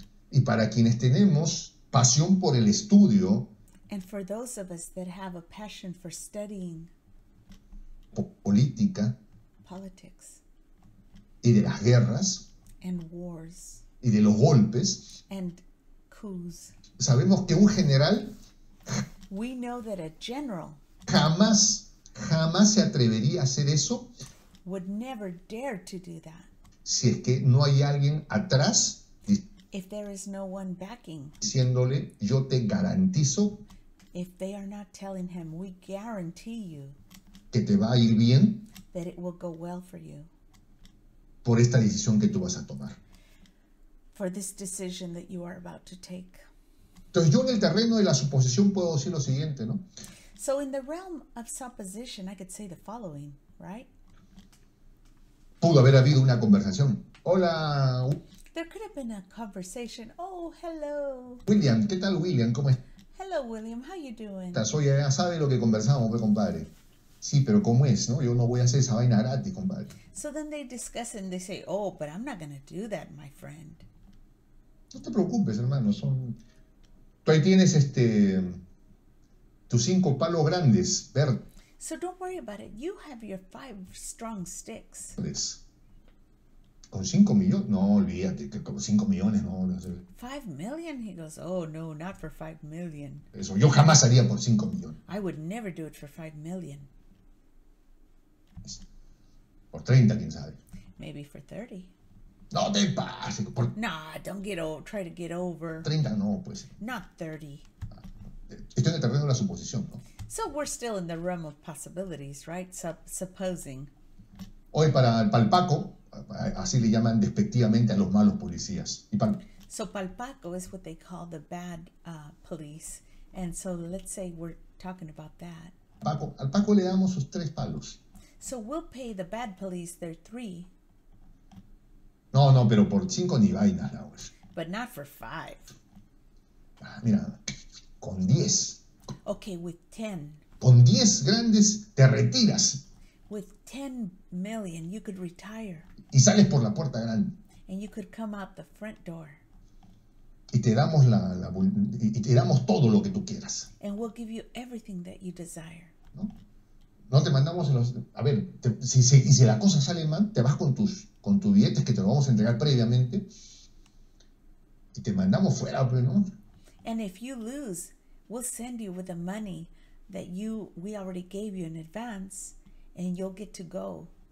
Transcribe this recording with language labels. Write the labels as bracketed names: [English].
[Spanish] Y para quienes tenemos pasión por el estudio, [English] And for those of us that have a passion for studying [Spanish] política [English] politics [Spanish] y de las guerras [English] and wars [Spanish] y de los golpes, [English] and coups. [Spanish] sabemos que un general [English] We know that a general [Spanish] jamás jamás se atrevería a hacer eso [English] would never dare to do that. [Spanish] si es que no hay alguien atrás [English] If there is no one backing, [Spanish] diciéndole, yo te garantizo [English] if they are not telling him, we guarantee you [Spanish] que te va a ir bien [English] that it will go well for you. [Spanish] por esta decisión que tú vas a tomar. [English] For this decision that you are about to take. [Spanish] Entonces yo en el terreno de la suposición puedo decir lo siguiente, ¿no? [English] So in the realm of supposition, I could say the following, right? [Spanish] Pudo haber habido una conversación. Hola, [English] There could have been a conversation. Oh, hello. [Spanish] William, ¿qué tal, William? ¿Cómo estás? [English] Hello, William. How you doing? [Spanish] Estás hoy, ya sabes lo que conversamos, compadre. Sí, pero ¿cómo es, no? Yo no voy a hacer esa vaina gratis, compadre. [English] So then they discuss and they say, oh, but I'm not going to do that, my friend. [Spanish] No te preocupes, hermano. Tú ahí tienes tus cinco palos grandes, verde. [English] So don't worry about it. You have your five strong sticks. [Spanish] Con 5 millones, no, olvídate, que con 5 millones, no. [English] 5 million? He goes, oh no, not for 5 million. [Spanish] Eso, yo jamás haría por 5 millones. [English] I would never do it for 5 million. [Spanish] Por 30, quién sabe. [English] Maybe for 30. [Spanish] No te pases, por [English] Nah, don't get old. Try to get over. [Spanish] 30, no, pues. [English] Not 30. [Spanish] Estoy en el terreno de la suposición, ¿no? [English] So we're still in the realm of possibilities, right? Supposing. [Spanish] Hoy para el Paco. Así le llaman despectivamente a los malos policías. Y [English] So Palpaco is what they call the bad police. And so let's say we're talking about that. [Spanish] al Paco le damos sus tres palos. [English] So we'll pay the bad police their three. [Spanish] No, no, pero por cinco ni vainas, la no. [English] But not for five. [Spanish] Mira, con 10. [English] Okay, with 10. [Spanish] Con 10 grandes te retiras. [English] With 10 million, you could retire. [Spanish] Y sales por la puerta grande. [English] And you could come out the front door. [Spanish] Y te damos todo lo que tú quieras. [English] And we'll give you everything that you desire. [Spanish] No te mandamos a ver, y si la cosa sale mal, te vas con tus billetes que te lo vamos a entregar previamente. Y te mandamos fuera, pues, ¿no? [English] And if you lose, we'll send you with the money that we already gave you in advance, and you'll get to go.